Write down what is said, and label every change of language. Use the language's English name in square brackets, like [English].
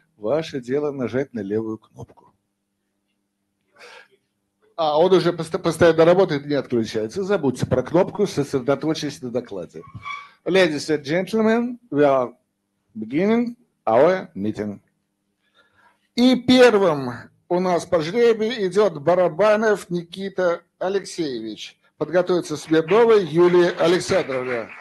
[Russian] Ваше дело нажать на левую кнопку. А он уже постоянно работает, не отключается. Забудьте про кнопку, сосредоточьтесь на докладе. [English] Ladies and gentlemen, we are beginning our meeting. [Russian] И первым у нас по жребию идет Барабанов Никита Алексеевич. Подготовится Смирнова Юлия Александровна.